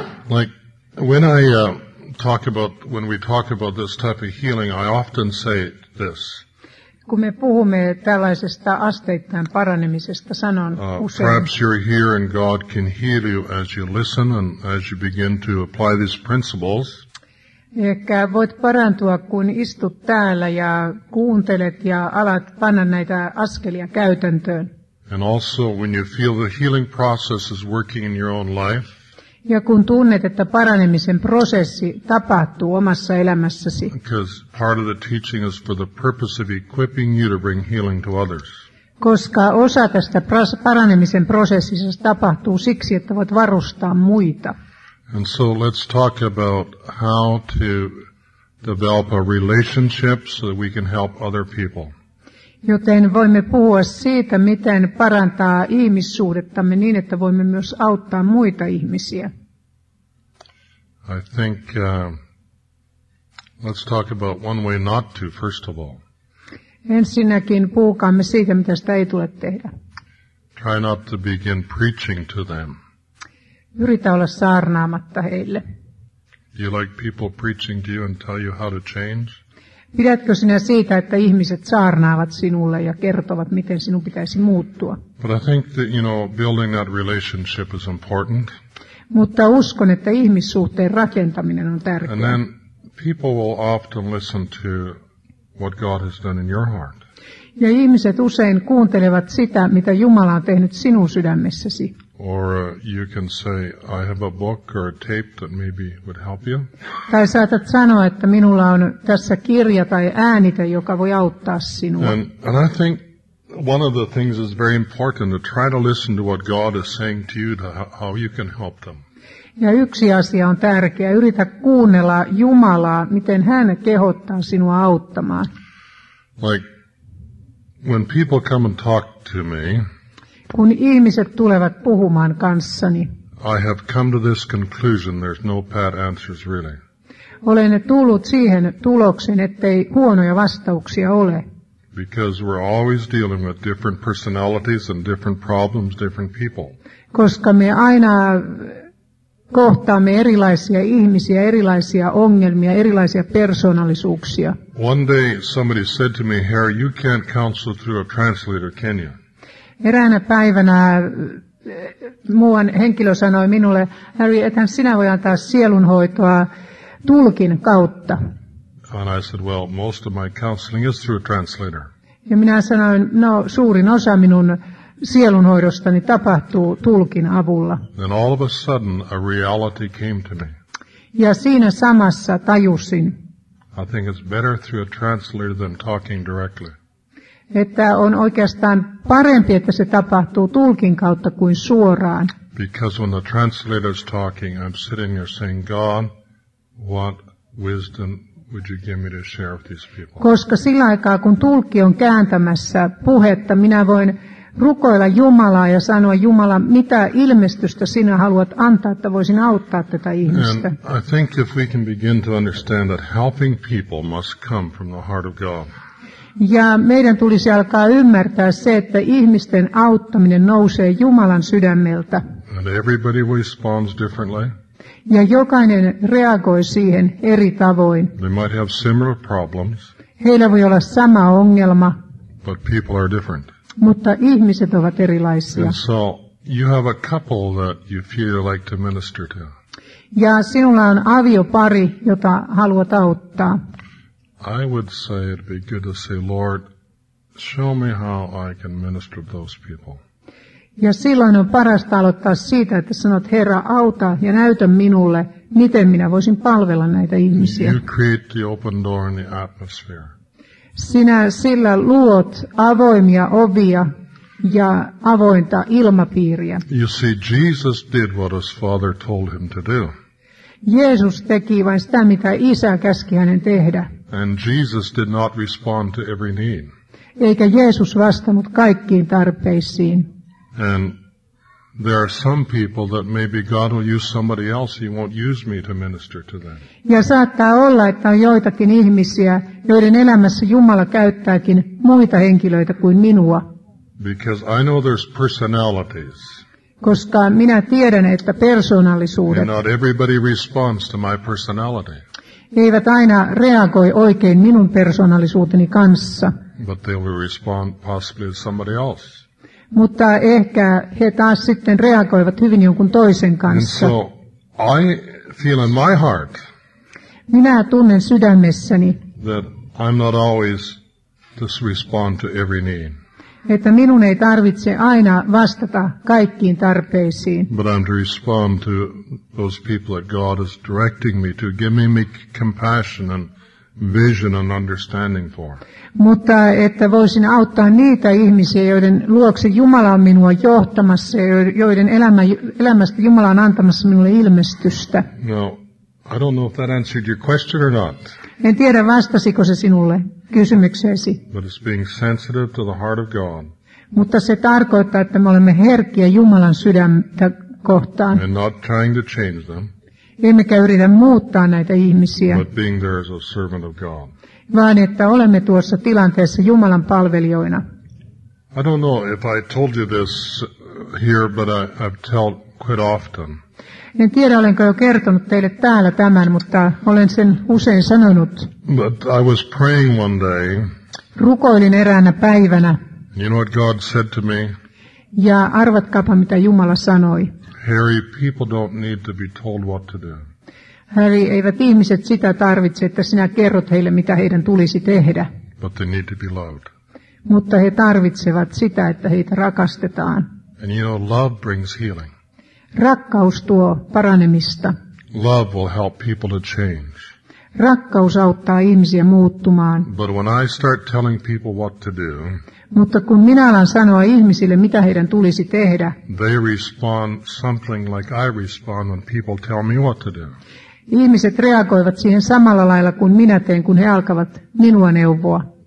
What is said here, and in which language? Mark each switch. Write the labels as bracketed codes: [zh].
[en] Like when I talk about this type of healing, I often say this. [fi] Kun me puhumme tällaisesta asteittain paranemisesta, sanon usein. [en] Perhaps you're here and God can heal you as you listen and as you begin to apply these principles. [fi] Ehkä voit parantua, kun istut täällä ja kuuntelet ja alat panna näitä askelia käytäntöön. [en] And also when you feel the healing process is working in your own life. [fi] Ja kun tunnet, että paranemisen prosessi tapahtuu omassa elämässäsi. [en] Because part of the teaching is for the purpose of equipping you to bring healing to others. [fi] Koska osa tästä paranemisen prosessissa tapahtuu siksi, että voit varustaa muita. [en] And so let's talk about how to develop a relationship so that we can help other people. [fi] Joten voimme puhua siitä, miten parantaa ihmissuhdettamme niin, että voimme myös auttaa muita ihmisiä. [en] I think, let's talk about one way not to, first of all. [fi] Ensinnäkin puhukaamme siitä, mitä sitä ei tule tehdä. [en] Try not to begin preaching to them. [fi] Yritä olla saarnaamatta heille. [en] Do you like people preaching to you and tell you how to change? [fi] Pidätkö sinä siitä, että ihmiset saarnaavat sinulle ja kertovat, miten sinun pitäisi muuttua? [en] But I think that, you know, building that relationship is important. [fi] Mutta uskon, että ihmissuhteen rakentaminen on tärkeää. [en] And then people will often listen to what God has done in your heart. [fi] Ja ihmiset usein kuuntelevat sitä, mitä Jumala on tehnyt sinun sydämessäsi. [en] Or you can say, I have a book or a tape that maybe would help you. [fi] Tai saatat sanoa, että minulla on tässä kirja tai äänite, joka voi auttaa sinua. [en] And I think one of the things is very important to try to listen to what God is saying to you, to how you can help them. [fi] Ja yksi asia on tärkeä. Yritä kuunnella Jumalaa, miten hän kehottaa sinua auttamaan. [en] Like, when people come and talk to me, [fi] kun ihmiset tulevat puhumaan kanssani, [en] I have come to this conclusion, there's no bad answers really. [fi] Olen tullut siihen tulokseen, ettei huonoja vastauksia ole. [en] Because we're always dealing with different personalities and different problems, different people. [fi] Koska me aina kohtaamme erilaisia ihmisiä, erilaisia ongelmia, erilaisia persoonallisuuksia. [en] One day somebody said to me, Harry, you can't counsel through a translator, can you? [fi] Eräänä päivänä muuan henkilö sanoi minulle, Harry, ethän sinä voi antaa sielunhoitoa tulkin kautta. [en] And I said, well, most of my counseling is through a translator. [fi] Ja minä sanoin, no, suurin osa minun sielunhoidostani tapahtuu tulkin avulla. [en] Then all of a sudden a reality came to me. [fi] Ja siinä samassa tajusin. [en] I think it's better through a translator than talking directly. [fi] Että on oikeastaan parempi, että se tapahtuu tulkin kautta kuin suoraan. [en] Because when the translator is talking, I'm sitting here saying, God, what wisdom would you give me to share with these people? [fi] Koska sillä aikaa, kun tulkki on kääntämässä puhetta, minä voin rukoilla Jumalaa ja sanoa, Jumala, mitä ilmestystä sinä haluat antaa, että voisin auttaa tätä ihmistä. [en] And I think if we can begin to understand that helping people must come from the heart of God. [fi] Ja meidän tulisi alkaa ymmärtää se, että ihmisten auttaminen nousee Jumalan sydämeltä. [en] And everybody responds differently. [fi] Ja jokainen reagoi siihen eri tavoin. [en] They might have similar problems. [fi] Heillä voi olla sama ongelma. [en] But people are different. [fi] Mutta ihmiset ovat erilaisia. [en] And so you have a couple that you feel you like to minister to. [fi] Ja sinulla on aviopari, jota haluat auttaa. [en] I would say it'd be good to say, Lord, show me how I can minister to those people. [fi] Ja silloin on parasta aloittaa siitä, että sanot, Herra, auta ja näytä minulle, miten minä voisin palvella näitä ihmisiä. [en] You create the open door in the atmosphere. [fi] Sinä sillä luot avoimia ovia ja avointa ilmapiiriä. [en] You see, Jesus did what his father told him to do. [fi] Jeesus teki vain sitä, mitä isä käski hänen tehdä. [en] And Jesus did not respond to every need. [fi] Eikä Jeesus vastannut kaikkiin tarpeisiin. [en] And there are some people that maybe God will use somebody else, he won't use me to minister to them. [fi] Ja saattaa olla, että on joitakin ihmisiä, joiden elämässä Jumala käyttääkin muita henkilöitä kuin minua. [en] Because I know there's personalities. [fi] Koska minä tiedän, että persoonallisuudet. [en] And not everybody responds to my personality. [fi] Eivät aina reagoi oikein minun persoonallisuuteni kanssa. [en] But they will respond possibly to somebody else. [fi] Mutta ehkä he taas sitten reagoivat hyvin jonkun toisen kanssa. [en] And so I feel in my heart, [fi] minä tunnen sydämessäni, [en] that I'm not always to respond to every need. [fi] Että minun ei tarvitse aina vastata kaikkiin tarpeisiin. [en] But I'm to respond to those people that God is directing me to, give me compassion and vision and understanding for. [fi] Mutta että voisin auttaa niitä ihmisiä, joiden luokse Jumala on minua johtamassa, joiden elämästä Jumala on antamassa minulle ilmestystä. [en] Now, I don't know if that answered your question or not. [fi] En tiedä, vastasiko se sinulle kysymykseesi. [en] But it's being sensitive to the heart of God. [fi] Mutta se tarkoittaa, että me olemme herkkiä Jumalan sydäntä kohtaan. [en] And not trying to change them. [fi] Emmekä yritä muuttaa näitä ihmisiä. [en] But being there as a servant of God. [fi] Vaan että olemme tuossa tilanteessa Jumalan palvelijoina. [en] I don't know if I told you this here, but I've told quite often. [fi] En tiedä, olenko jo kertonut teille täällä tämän, mutta olen sen usein sanonut. [en] But I was praying one day. [fi] Rukoilin eräänä päivänä. [en] You know what God said to me? [fi] Ja arvatkaapa, mitä Jumala sanoi. [en] Harry, people don't need to be told what to do. [fi] Harry, eivät ihmiset sitä tarvitse, että sinä kerrot heille, mitä heidän tulisi tehdä. [en] But they need to be loved. [fi] Mutta he tarvitsevat sitä, että heitä rakastetaan. [en] And you know, love brings healing. [fi] Rakkaus tuo paranemista. [en] Love will help people to change. [fi] Rakkaus auttaa ihmisiä muuttumaan. [en] But when I start telling people what to do, [fi] mutta kun minä alan sanoa ihmisille, mitä heidän tulisi tehdä, [en] they respond something like I respond when people tell me what to do. [fi] Ihmiset reagoivat siihen samalla lailla kuin minä teen, kun he alkavat minua neuvoa.